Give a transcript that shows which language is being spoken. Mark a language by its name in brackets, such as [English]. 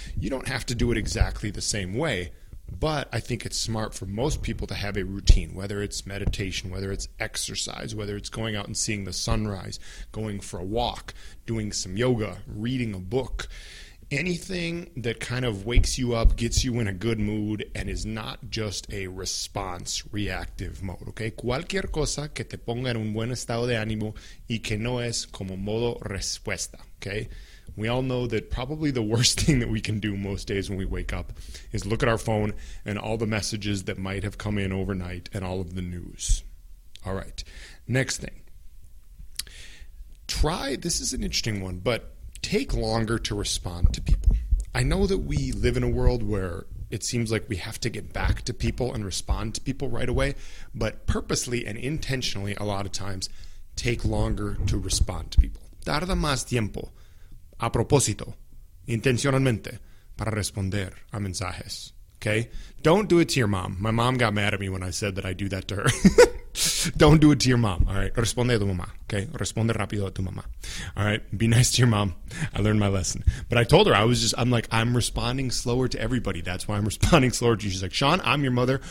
[English] You don't have to do it exactly the same way, but I think it's smart for most people to have a routine, whether it's meditation, whether it's exercise, whether it's going out and seeing the sunrise, going for a walk, doing some yoga, reading a book. Anything that kind of wakes you up, gets you in a good mood, and is not just a response, reactive mode, okay? [Spanish] Cualquier cosa que te ponga en un buen estado de ánimo y que no es como modo respuesta, okay? [English] We all know that probably the worst thing that we can do most days when we wake up is look at our phone and all the messages that might have come in overnight and all of the news. All right, next thing. This is an interesting one, but take longer to respond to people. I know that we live in a world where it seems like we have to get back to people and respond to people right away, but purposely and intentionally, a lot of times, take longer to respond to people. [Spanish] Tarda más tiempo, a propósito, intencionalmente, para responder a mensajes, okay? [English] Don't do it to your mom. My mom got mad at me when I said that I do that to her. Don't do it to your mom, all right? [Spanish] Responde a tu mamá, [English] okay? [Spanish] Responde rápido a tu mamá, [English] all right? Be nice to your mom. I learned my lesson. But I told her, I'm responding slower to everybody. That's why I'm responding slower to you. She's like, Sean, I'm your mother.